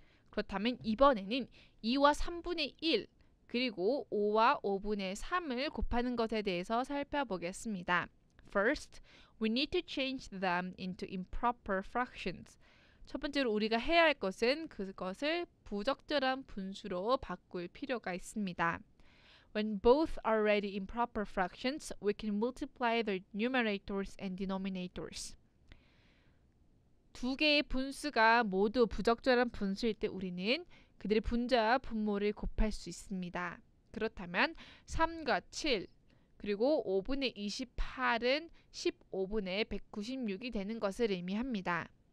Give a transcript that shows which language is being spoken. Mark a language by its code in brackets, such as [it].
[ko] 그렇다면 이번에는 2와 3분의 1, 그리고 5와 5분의 3을 곱하는 것에 대해서 살펴보겠습니다. [en] First, we need to change them into improper fractions. [ko] 첫 번째로 우리가 해야 할 것은 그것을 부적절한 분수로 바꿀 필요가 있습니다. [en] When both are already improper fractions, we can multiply their numerators and denominators. [ko] 두 개의 분수가 모두 부적절한 분수일 때 우리는 그들의 분자와 분모를 곱할 수 있습니다. 그렇다면 3과 7, 그리고 5분의 28은 15분의 196이 되는 것을 의미합니다.